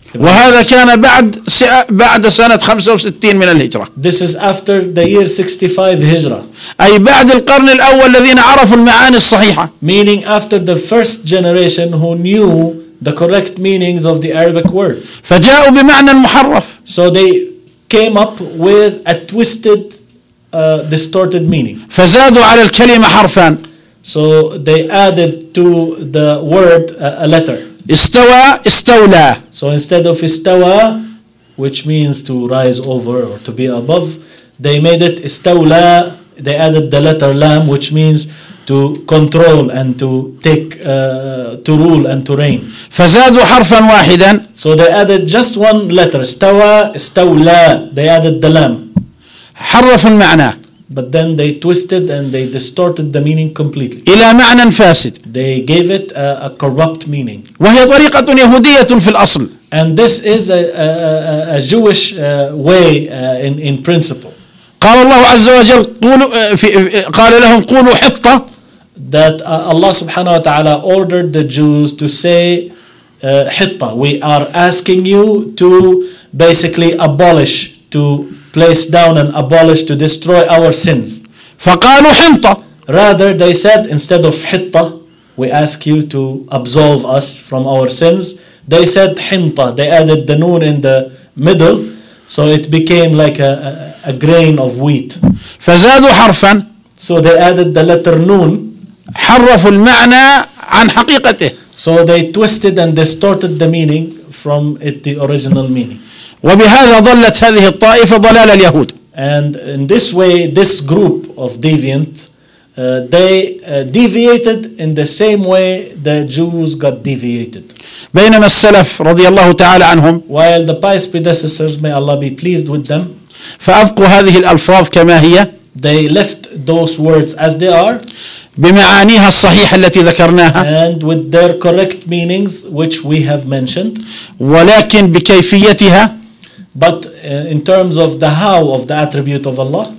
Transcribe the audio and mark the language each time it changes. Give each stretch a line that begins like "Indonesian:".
Arabic: وهذا كان بعد سنة 65 من الهجرة
English: This is after the year 65 هجرة
Arabic: أي بعد القرن الأول الذين عرفوا المعاني الصحيحة
English: Meaning after the first generation who knew the correct meanings of the Arabic words
Arabic: فجاءوا بمعنى محرف
English: So they came up with a twisted distorted meaning
Arabic: فزادوا على الكلمة حرفا
English: So they added to the word a letter
Arabic: استوى استولى
English: So instead of استوى which means to rise over or to be above they made it استولى they added the letter لام which means to control and to take to rule and to reign
Arabic: فزادوا حرفا واحدا
English: So they added just one letter استوى استولى they added the لام
Arabic: حرف المعنى
English: But then they twisted and they distorted the meaning completely.
Arabic: إلى معنى فاسد.
English: They gave it a corrupt meaning.
Arabic: وهي طريقة يهودية في الأصل.
English: And this is a Jewish way in principle.
Arabic: قال الله عز وجل قولوا في قال لهم قولوا حطة.
English: That Allah
Arabic: سبحانه وتعالى
English: ordered the Jews to say حطة. We are asking you to basically abolish to place down and abolish to destroy our sins.
Arabic: فقالوا حنطة.
English: Rather they said instead of حطة we ask you to absolve us from our sins. They said حنطة. They added the noon in the middle so it became like a grain of wheat.
Arabic: فزادوا حرفا.
English: So they added the letter noon.
Arabic: حرفوا المعنى عن حقيقته.
English: So they twisted and distorted the meaning from it the original meaning.
Arabic: وبهذا ضلت هذه الطائفة ضلال اليهود.
English: And in this way, this group of deviant, they deviated in the same way the Jews got deviated.
Arabic: بينما السلف رضي الله تعالى عنهم.
English: While the pious predecessors, may Allah be pleased with them.
Arabic: فأبقوا هذه الألفاظ كما هي.
English: They left those words as they are.
Arabic: بمعانيها الصحيحة التي ذكرناها
English: and with their correct meanings which we have mentioned
Arabic: ولكن بكيفيتها
English: but in terms of the how of the attribute of Allah